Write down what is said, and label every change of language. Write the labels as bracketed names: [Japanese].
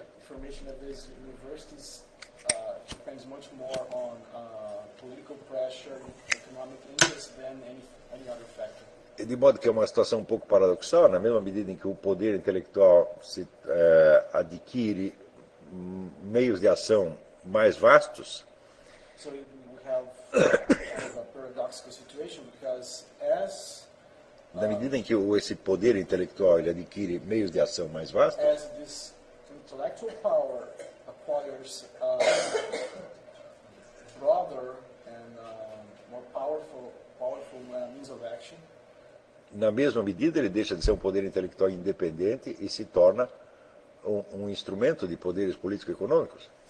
[English] The formation of these universities depends much more on political pressure, economic interest than any other factor. [Portuguese] De modo que é uma situação um pouco paradoxal, na mesma medida em que o poder intelectual se adquire meios de ação mais vastos. [English] So we have a paradoxical situation because as [Portuguese] na medida em que esse poder intelectual ele adquire meios de ação mais vastos, [English] as this intellectual power acquires broader and more powerful means of action. [Portuguese] Na mesma medida, ele deixa de ser um poder intelectual independente e se torna um instrumento de poderes político-econômicos.